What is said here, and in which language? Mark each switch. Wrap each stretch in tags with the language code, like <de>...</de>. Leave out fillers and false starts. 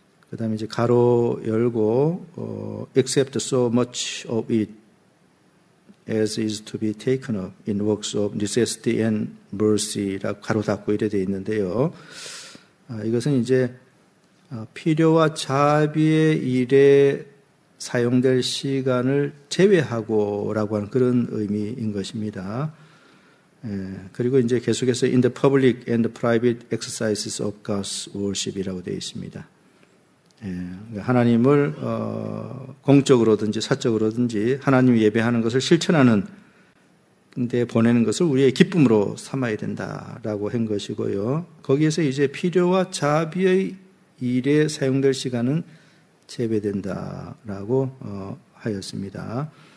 <ko>그 다음에 이제 가로 열고</ko> <en>accept so much of it as is to be taken up in works of necessity and mercy</en> <ko>라고 가로 닫고 이래 되어 있는데요. 이것은 이제 필요와 자비의 일에 사용될 시간을 제외하고 라고 하는 그런 의미인 것입니다. 예, 그리고 이제 계속해서</ko> <en>in the public and the private exercises of God's worship</en> <ko>이라고 되어 있습니다. 예, 하나님을 공적으로든지 사적으로든지 하나님 예배하는 것을 실천하는 데 보내는 것을 우리의 기쁨으로 삼아야 된다라고 한 것이고요. 거기에서 이제 필요와 자비의 일에 사용될 시간은 제외된다라고 하였습니다.</ko>